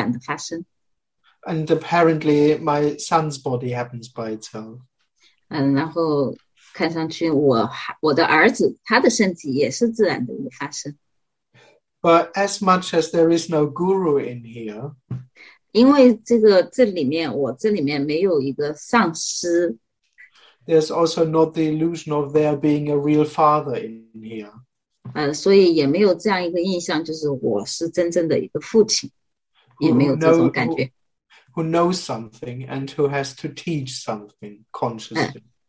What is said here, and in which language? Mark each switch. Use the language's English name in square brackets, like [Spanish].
[Chinese] 看上去就很显然，这个身体它也是这个，我这个身体也是一个自然的发生。 [English] And apparently, my son's body happens by itself. [Chinese] 然后。看上去我的儿子，他的身体也是自然的发生。 [English] But as much as there is no guru in here, [Chinese] 因为这里面我这里面没有一个上师。 [English] There's also not the illusion of there being a real father in here. [Chinese] 所以也没有这样一个印象，就是我是真正的一个父亲，也没有这种感觉。 [English] Who knows something and who has to teach something consciously.